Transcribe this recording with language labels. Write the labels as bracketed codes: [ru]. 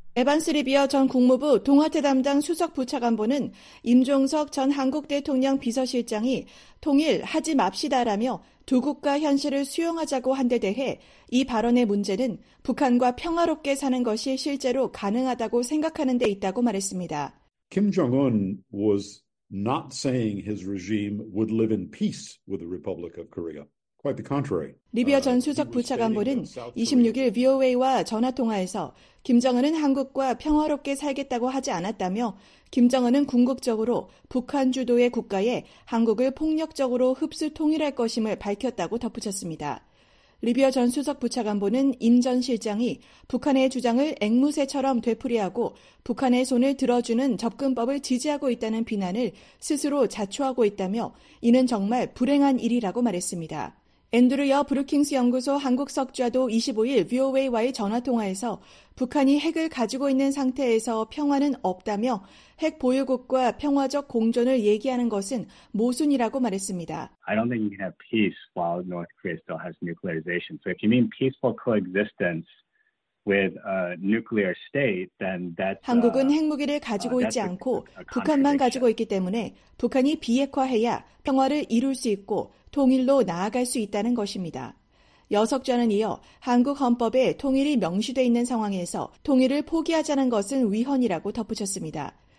[ko] 에반스 리비어 전 국무부 동아태 담당 수석 부차관보는 임종석 전 한국 대통령 비서실장이 통일하지 맙시다라며 두 국가 현실을 수용하자고 한 데 대해 이 발언의 문제는 북한과 평화롭게 사는 것이 실제로 가능하다고 생각하는 데 있다고 말했습니다. [en] Kim Jong-un was not saying his regime would live in peace with the Republic of Korea. Quite the contrary. [ko] 리비아 전 수석 부차관보는 26일 VOA와 전화통화에서 김정은은 한국과 평화롭게 살겠다고 하지 않았다며 김정은은 궁극적으로 북한 주도의 국가에 한국을 폭력적으로 흡수 통일할 것임을 밝혔다고 덧붙였습니다. 리비아 전 수석 부차관보는 임 전 실장이 북한의 주장을 앵무새처럼 되풀이하고 북한의 손을 들어주는 접근법을 지지하고 있다는 비난을 스스로 자초하고 있다며 이는 정말 불행한 일이라고 말했습니다. 앤드루 여 브루킹스 연구소 한국석좌도 25일 VOA와의 전화통화에서 북한이 핵을 가지고 있는 상태에서 평화는 없다며 핵 보유국과 평화적 공존을 얘기하는 것은 모순이라고 말했습니다. [en] I don't think you can have peace while North Korea still has nuclearization. So if you mean peaceful coexistence, with a nuclear state, then that's, [ko] 한국은 핵무기를 가지고 있지 않고 북한만 가지고 있기 때문에 북한이 비핵화해야 평화를 이룰 수 있고 통일로 나아갈 수 있다는 것입니다. 여석좌는 이어 한국 헌법에 통일이 명시돼 있는 상황에서 통일을 포기하자는 것은 위헌이라고 덧붙였습니다.